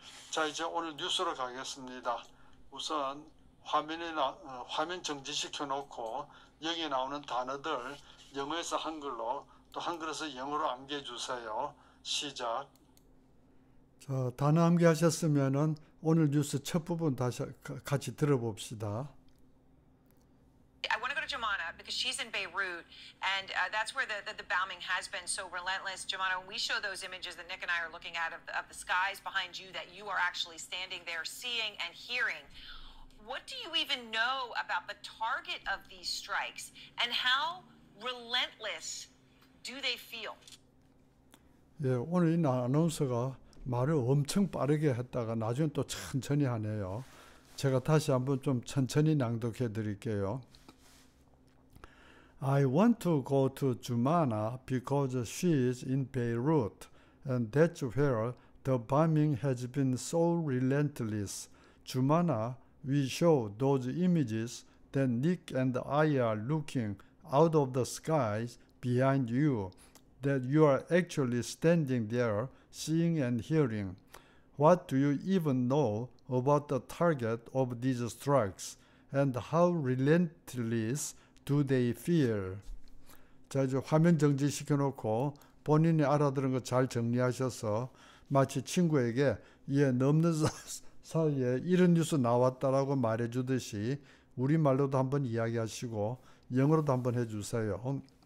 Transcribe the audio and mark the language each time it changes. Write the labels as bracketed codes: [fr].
[ko] 자, 이제 오늘 뉴스로 가겠습니다. 우선 화면 정지시켜 놓고 여기 나오는 단어들 영어에서 한글로 또 한글에서 영어로 암기해 주세요. 시작. 단어 암기하셨으면 오늘 뉴스 첫 부분 다시 같이 들어봅시다. [en] Jumana, because she's in Beirut, and that's where the bombing has been so relentless. Jumana, when we show those images that Nick and I are looking at of the skies behind you that you are actually standing there seeing and hearing, what do you even know about the target of these strikes, and how relentless do they feel? [ko] 예, 오늘 이 아나운서가 말을 엄청 빠르게 했다가 나중에 또 천천히 하네요. 제가 다시 한번 좀 천천히 낭독해 드릴게요. [en] I want to go to Jumana because she is in Beirut, and that's where the bombing has been so relentless. Jumana, we show those images that Nick and I are looking out of the skies behind you. That you are actually standing there seeing and hearing. What do you even know about the target of these strikes? And how relentless do they feel? [ko] 자, 이제 화면 정지시켜 놓고 본인이 알아들은 거잘 정리하셔서 마치 친구에게 예, 넘는 사이에 이런 뉴스 나왔다라고 말해주듯이 우리말로도 한번 이야기하시고 영어로도 한번 해주세요.